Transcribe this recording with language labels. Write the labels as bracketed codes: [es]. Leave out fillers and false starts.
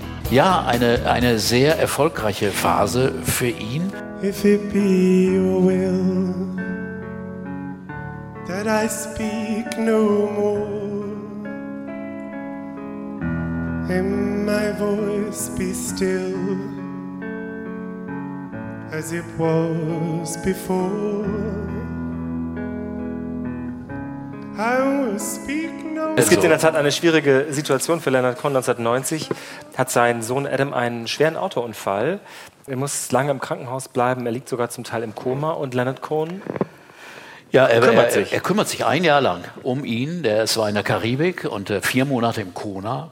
[de] Ja, eine sehr erfolgreiche Phase für ihn. [en] If it be your will that I speak no more, and my voice be still as it was before, I will speak. [de] Es gibt in der Tat eine schwierige Situation für Leonard Cohen. 1990 hat sein Sohn Adam einen schweren Autounfall. Er muss lange im Krankenhaus bleiben. Er liegt sogar zum Teil im Koma. Und Leonard Cohen kümmert sich ein Jahr lang um ihn. Der war in der Karibik und 4 Monate im Koma.